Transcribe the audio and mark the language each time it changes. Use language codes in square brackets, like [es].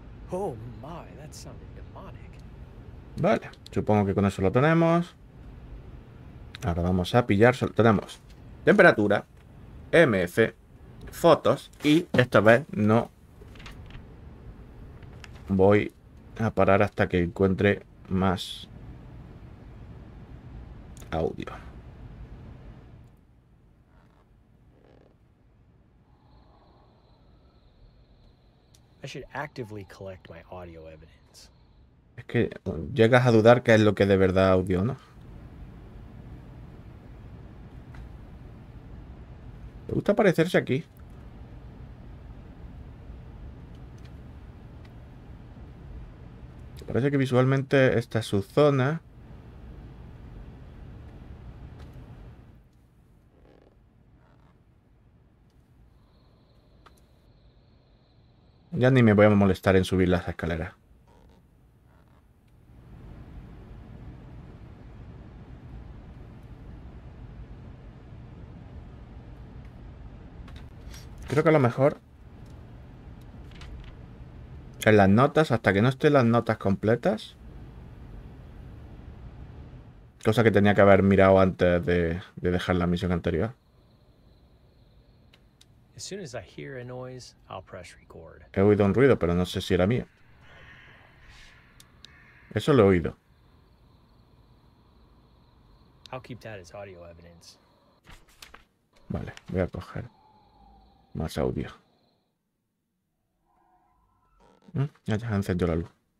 [en] Oh my, that sounded demonic. [es] Vale, supongo que con eso lo tenemos. Ahora vamos a pillar. Tenemos temperatura, MF, fotos y esta vez no voy a parar hasta que encuentre más audio. [en] I should actively collect my audio evidence. [es] Es que llegas a dudar qué es lo que de verdad audio, ¿no? Me gusta aparecerse aquí. Parece que visualmente esta es su zona. Ya ni me voy a molestar en subir las escaleras. Creo que a lo mejor en las notas, hasta que no estén las notas completas. Cosa que tenía que haber mirado antes de dejar la misión anterior. [en] As soon as I hear a noise, I'll press record. [es] He oído un ruido, pero no sé si era mío. Eso lo he oído. [en] I'll keep that as audio evidence. [es] Vale, voy a coger más audio. Ya se ha encendido la luz.